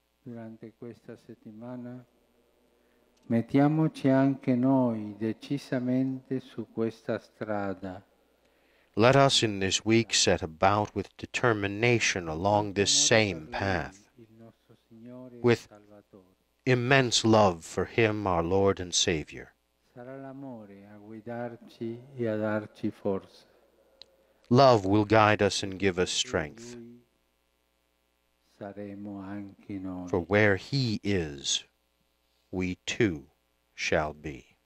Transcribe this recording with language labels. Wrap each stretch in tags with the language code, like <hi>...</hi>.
<it>Durante questa settimana mettiamoci anche noi decisamente su questa strada.</it> <en>Let us in this week set about with determination along this same path, with immense love for him, our Lord and Savior.</en> <it>Sarà l'amore a guidarci e a darci forza.</it> <en>Love will guide us and give us strength. For where he is, we too shall be.</en>